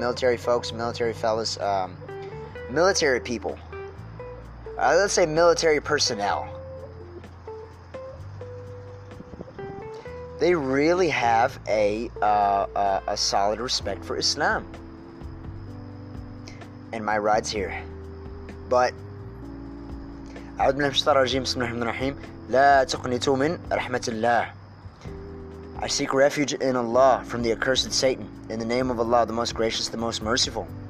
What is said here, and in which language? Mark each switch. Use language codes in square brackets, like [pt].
[en] Military folks, military fellas, military people, let's say military personnel, they really have a solid respect for Islam and my rides here. [ar] But أعوذ بالله من الشيطان الرجيم بسم الله الرحمن الرحيم لا تقنطوا من رحمة الله. [en] I seek refuge in Allah from the accursed Satan. In the name of Allah, the most gracious, the most merciful.